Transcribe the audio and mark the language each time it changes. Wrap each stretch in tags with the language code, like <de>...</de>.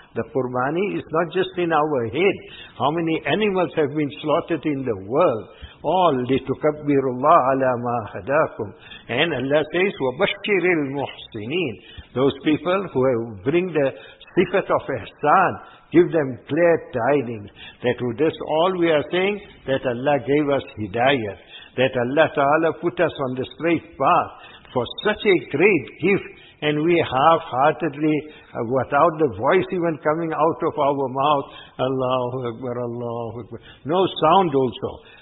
<en>The qurbani is not just in our head. How many animals have been slaughtered in the world?</en> <ar>All لِتُكَبِّرُ اللَّهَ عَلَى مَا هَدَاكُمْ.</ar> <en>And Allah says,</en> <ar>وَبَشِّرِ الْمُحْسِنِينَ.</ar> <en>Those people who bring the sifat of ihsan, give them glad tidings. That this all we are saying, that Allah gave us hidayat. that Allah Ta'ala put us on the straight path for such a great gift, and we half-heartedly, without the voice even coming out of our mouth, Allahu Akbar, Allahu Akbar, no sound also.</en>